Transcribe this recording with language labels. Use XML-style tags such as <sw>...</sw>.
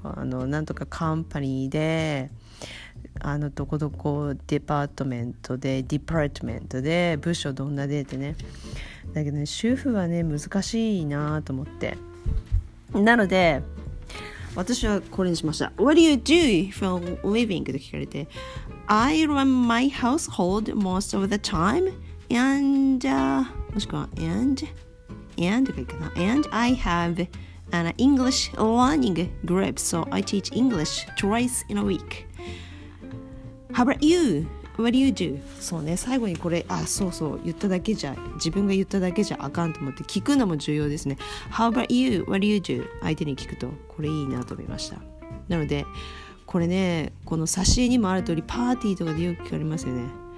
<ja>なんとかカンパニーで、どこどこデパートメントで、ディパートメントで、部署どんなでってね。だけどね、主婦はね難しいなと思って、なので私はこれにしました。</ja> <en>What do you do for living?</en> <ja>と聞かれて、</ja> <en>I run my household most of the time and</en> <ja>もしくは and がいいかな、</ja> <en>and I have an English learning group so I teach English twice in a week. How about you? What do you do?</en> <ja>そうね、最後にこれ、そうそう言っただけじゃ、自分が言っただけじゃあかんと思って聞くのも重要ですね。</ja> <en>How about you? What do you do?</en> <ja>相手に聞くとこれいいなと思いました。なのでこれね、この差し絵にもある通りパーティーとかでよく聞かれますよね。</ja>